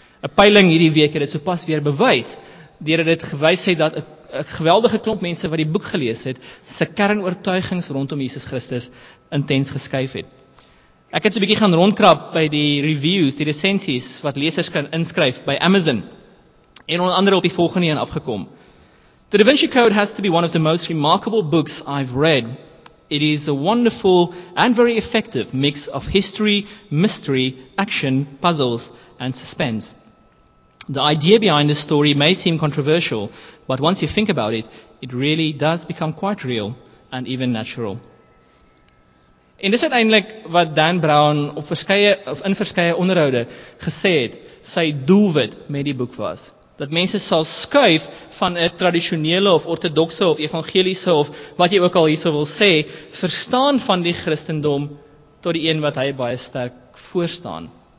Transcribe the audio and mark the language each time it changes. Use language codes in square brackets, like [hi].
[af] 'n Peiling hierdie week het dit sopas weer bewys, deur dit gewys het dat 'n geweldige klomp mense wat die boek gelees het, se kernoortuigings rondom Jesus Christus intens geskuif het. Ek het so 'n bietjie gaan rondkrap by die reviews, die resensies wat lesers kan inskryf by Amazon. En onder andere op die volgende een afgekom. [en] The Da Vinci Code has to be one of the most remarkable books I've read. It is a wonderful and very effective mix of history, mystery, action, puzzles, and suspense. The idea behind the story may seem controversial, but once you think about it, it really does become quite real and even natural. [af] En dis uiteindelik wat Dan Brown op verskeie of in verskeie onderhoude gesê het, sy doelwit met die boek was dat mense sal skuif van 'n tradisionele of orthodoxe of evangeliese of wat jy ook al hierso wil sê, verstaan van die Christendom tot die een wat hy baie sterk voorstaan.